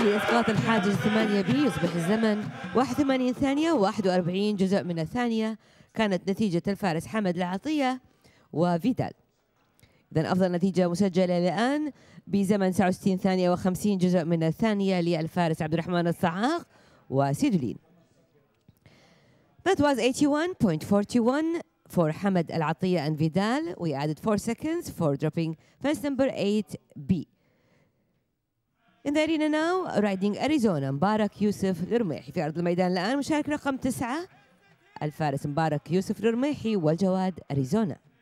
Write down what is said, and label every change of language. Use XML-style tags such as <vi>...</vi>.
<ar>انخفاض الحاجز 8 بي يصبح الزمن 81 ثانية و41 جزء من الثانية. كانت نتيجة الفارس حمد العطية وفيدال. إذن أفضل نتيجة مسجلة الآن بزمن 69 ثانية و50 جزء من الثانية للفارس عبد الرحمن الصعاق وسيدولين.</ar> <en>That was 81.41 for Hamad Al Attiyah and Vidal. We added 4 seconds for dropping fence number 8B. In the arena now, riding Arizona, Mubarak Yousef Al Rumaihi.</en> <ar>في أرض الميدان الآن مشارك رقم 9 الفارس مبارك يوسف الرميحي والجواد أريزونا.</ar>